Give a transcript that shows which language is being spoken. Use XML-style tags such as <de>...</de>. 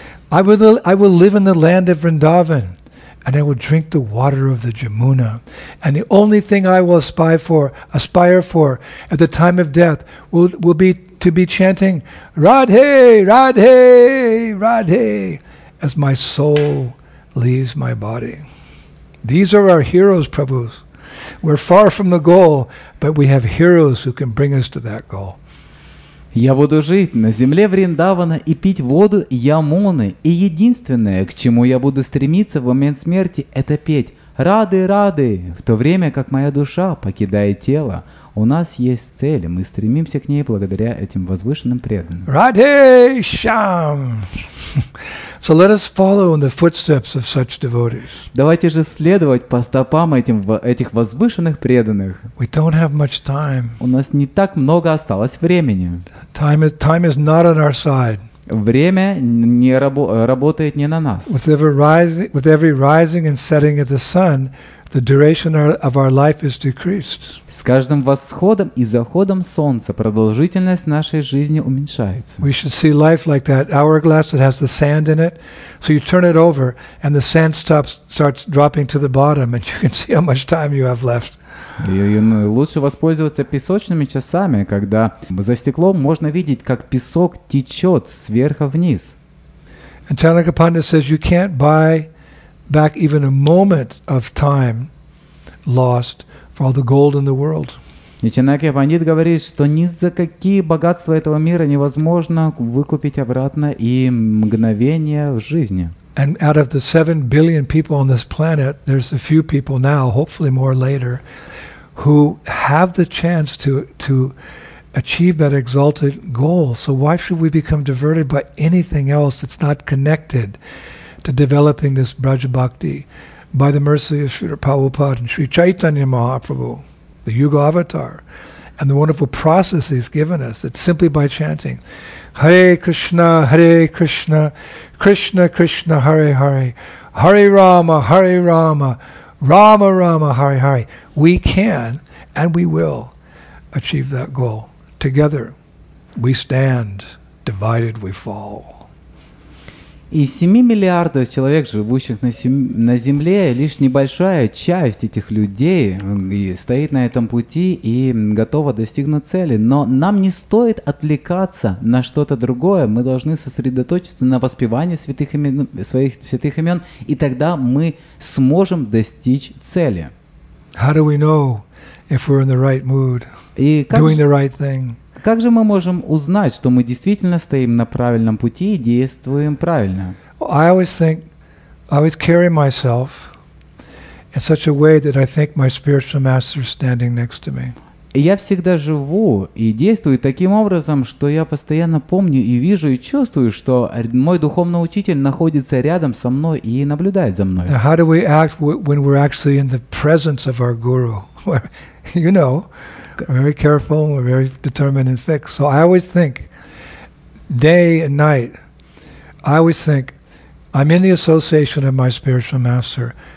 <en>I will live in the land of Vrindavan and I will drink the water of the Jamuna and the only thing I will aspire for at the time of death will be to be chanting Radhe Radhe Radhe as my soul leaves my body. These are our heroes, Prabhus. We're far from the goal, but we have heroes who can bring us to that goal.</en> <ru>Я буду жить на земле Вриндавана и пить воду Ямуны, и единственное, к чему я буду стремиться в момент смерти, это петь «Рады, рады!» В то время, как моя душа покидает тело, у нас есть цель, и мы стремимся к ней благодаря этим возвышенным преданным. Раде Шам!</ru> <en>So let us follow in the footsteps of such devotees.</en> <ru>Давайте же следовать по стопам этих возвышенных преданных.</ru> <en>We don't have much time.</en> <ru>У нас не так много осталось времени.</ru> <en>Time is not on our side.</en> <ru>Время не работает не на нас.</ru> <en>With every rising and setting of the sun, the duration of our life is decreased.</en> <ru>С каждым восходом и заходом солнца продолжительность нашей жизни уменьшается.</ru> <en>We should see life like that hourglass that has the sand in it. So you turn it over, and the sand starts dropping to the bottom, and you can see how much time you have left.</en> <ru>И лучше воспользоваться песочными часами, когда за стеклом можно видеть, как песок течет сверху вниз.</ru> <en>And Chanakya Panda says you can't buy back even a moment of time lost for all the gold in the world.</en> <ru>И Чанакья Пандит говорит, что ни за какие богатства этого мира невозможно выкупить обратно и мгновение в жизни.</ru> <en>And out of the 7 billion people on this planet, there's a few people now, hopefully more later, who have the chance to achieve that exalted goal. So why should we become diverted by anything else that's not connected to developing this Braja Bhakti by the mercy of Srila Prabhupada and Sri Chaitanya Mahaprabhu, the Yuga Avatar, and the wonderful process he's given us, that simply by chanting Hare Krishna, Krishna Krishna, Hare Hare, Hare Rama, Rama Rama, Hare Hare, we can and we will achieve that goal. Together we stand, divided we fall.</en> <ru>Из 7 миллиардов человек, живущих на Земле, лишь небольшая часть этих людей стоит на этом пути и готова достигнуть цели. Но нам не стоит отвлекаться на что-то другое. Мы должны сосредоточиться на воспевании своих святых имен, и тогда мы сможем достичь цели.</ru> <en>How do we know if we're in the right mood, doing the right thing?</en> <ru>Как же мы можем узнать, что мы действительно стоим на правильном пути и действуем правильно?</ru> <en>I always think, I always carry myself in such a way that I think my spiritual master is standing next to me.</en> <ru>Я всегда живу и действую таким образом, что я постоянно помню и вижу и чувствую, что мой духовный учитель находится рядом со мной и наблюдает за мной.</ru> <en>How do we act when we're actually in the presence of our guru? You know, we're very careful, we're very determined and fixed. So I always think, day and night, I always think, I'm in the association of my spiritual master.</en>